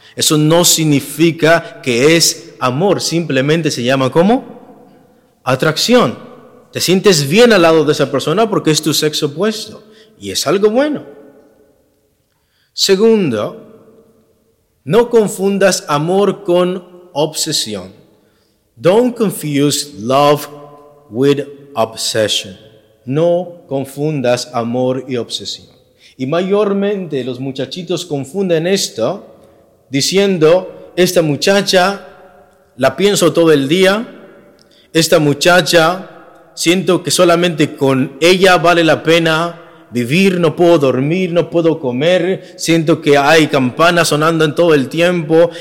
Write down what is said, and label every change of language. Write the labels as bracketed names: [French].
[Spanish] Eso no significa que es amor. Simplemente se llama ¿cómo? Atracción. Te sientes bien al lado de esa persona porque es tu sexo opuesto. Y es algo bueno. Segundo, no confundas amor con obsesión. [English] Don't confuse love with obsession. [Spanish] No confundas amor y obsesión. Y mayormente los muchachitos confunden esto diciendo, esta muchacha la pienso todo el día, esta muchacha siento que solamente con ella vale la pena vivir, no puedo dormir, no puedo comer, siento que hay campanas sonando en todo el tiempo